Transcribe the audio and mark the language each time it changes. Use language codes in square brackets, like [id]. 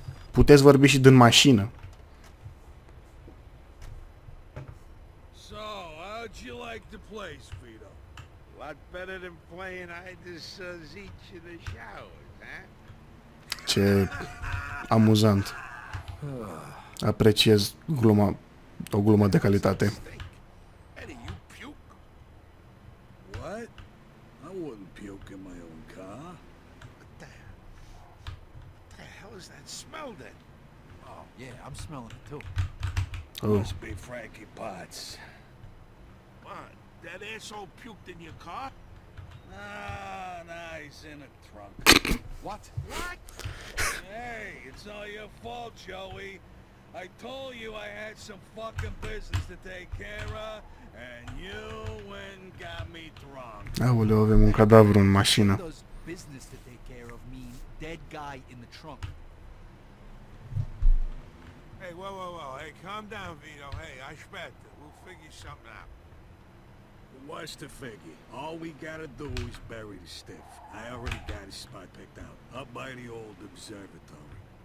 [ro] Puteți vorbi și din mașină. [en] So, how'd you like the place, Vito? A lot better than playing I just zici in the shower, huh? [ro] Ce amuzant. Apreciez gluma. O glumă de calitate. [en] Eddie, you puke? What? I wouldn't puke in my own car. What the hell is that smell then? Oh, yeah, I'm smelling it too. Oh. Must be Frankie Potts. What? That asshole puked in your car? Nah, he's in a trunk. What? What? Hey, it's all your fault, Joey. I told you I had some fucking business to take care of, and you went and got me drunk. [ro] Aoleu, avem un cadavru în mașină. [en] Business to take care of me, dead guy in the trunk. Hey, whoa, hey, calm down, Vito. Hey, I spent it. We'll figure something out. What's to figure? All we gotta do is bury the stiff. I already got his spot picked out, up by the old observatory.